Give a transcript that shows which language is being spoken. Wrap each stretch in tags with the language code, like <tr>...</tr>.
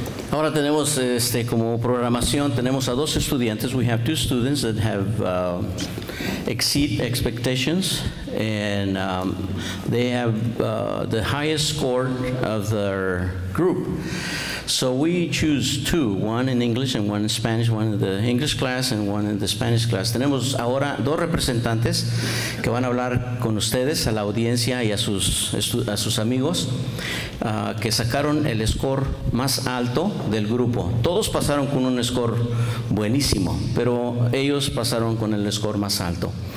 <es>Ahora tenemos este como programación, tenemos a dos estudiantes.</es> <en>We have two students that have exceed expectations, and they have the highest score of their group. So we choose two, one in English and one in Spanish, one in the English class and one in the Spanish class.</en> <es>Tenemos ahora dos representantes que van a hablar con ustedes, a la audiencia y a sus amigos, que sacaron el score más alto del grupo. Todos pasaron con un score buenísimo, pero ellos pasaron con el score más alto.</es>